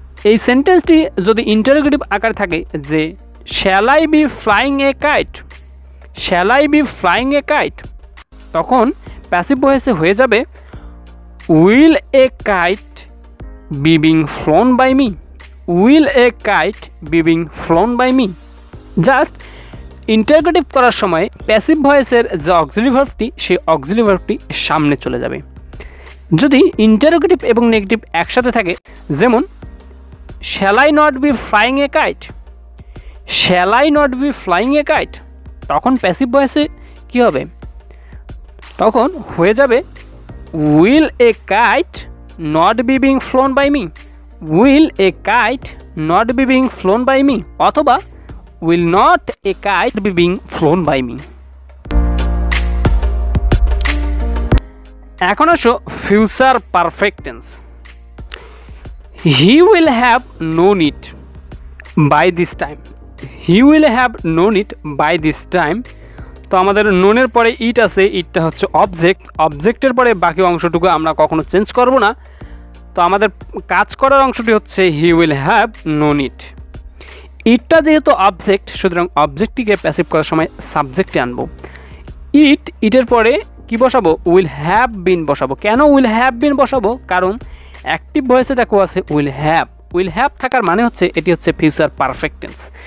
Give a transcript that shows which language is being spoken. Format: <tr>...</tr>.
<bn>এই সেন্টেন্সটি যদি interrogative আকার থাকে যে</bn> <en>shall I be flying a kite, shall I be flying a kite,</en> <bn>তখন passive voice হয়ে যাবে</bn> <en>will a kite be being flown by me, will a kite be being flown by me।</en> <bn>Just interrogative করার সময় passive ভয়েসের যে auxiliary ভার্বটি সেই auxiliary ভার্বটি সামনে চলে যাবে। যদি ইন্টারগেটিভ এবং নেগেটিভ একসাথে থাকে, যেমন</bn> <en>shall I not be flying a kite, shall I not be flying a kite,</en> <bn>তখন প্যাসিভ ভয়েসে কী হবে, তখন হয়ে যাবে</bn> <en>Will a kite not be being flown by me, will a kite not be being flown by me, অথবা will not a kite be being flown by me।</en> <bn>এখন আসো</bn> <en>future perfect tense। He will have known it by this time, he will have known it by this time,</en> <bn>তো আমাদের known এর পরে it আছে, itটা হচ্ছে object, object এর পরে বাকি অংশটুকু আমরা কখনো চেঞ্জ করব না, তো আমাদের কাজ করার অংশটি হচ্ছে</bn> <en>he will have known it।</en> <bn>ইটটা যেহেতু অবজেক্ট, সুতরাং অবজেক্টটিকে প্যাসিভ করার সময় সাবজেক্টে আনবো। ইট, ইটের পরে কী বসাবো,</bn> <en>will have been</en> <bn>বসাবো। কেন</bn> <en>will have</en> <bn>বিন বসাবো, কারণ অ্যাক্টিভ ভয়েসে দেখো আছে উইল হ্যাভ, উইল হ্যাভ থাকার মানে হচ্ছে এটি হচ্ছে ফিউচার পারফেক্ট টেন্স।</bn>